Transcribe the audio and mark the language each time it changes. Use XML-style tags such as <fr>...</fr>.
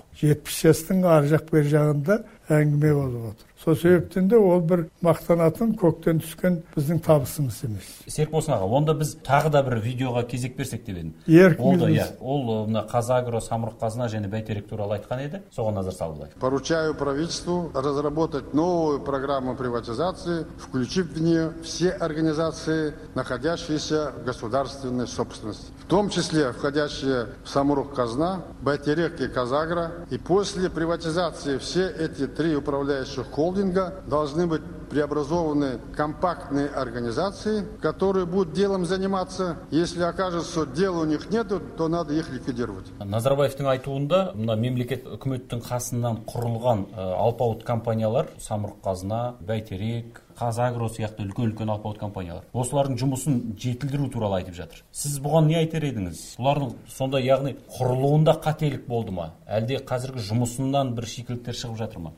<kk>70 жастың ар жақ бер жағында әңгіме болып отыр. Сол себептен де ол бір мақтанатын көктен түскен біздің табысымыз емес. Серікбосын аға, онда біз тағы да бір видеоға кезек берсек деп едім. Ол мына Қазагро, Самұрық-Қазына және Бәйтерек туралы айтқан еді. Соған назар салдық.</kk> <ru>Поручаю правительству разработать новую программу приватизации, включив в нее все организации, находящиеся в государственной собственности, в том числе входящие в Самұрық-Қазына, Бәйтерек и Қазагро, и после приватизации все эти три управляющих холдинга должны быть преобразованы компактные организации, которые будут делом заниматься. Если окажется, что дела у них нет, то надо их ликвидировать.</ru> <kk>Назарбаевтың айтуында, мына мемлекет үкіметтің қасынан құрылған алпауыт компаниялар, Самұрық-Қазына, Бәйтерек, Қазагро сияқты үлкен-үлкен алпауыт компаниялар. Осылардың жұмысын жетілдіру туралы айтып жатыр. Сіз бұған не айтар едіңіз? Бұлардың сонда яғни құрылуында қателік болды ма? Әлде қазіргі жұмысынан бір шикіліктер шығып жатыр ма?</kk>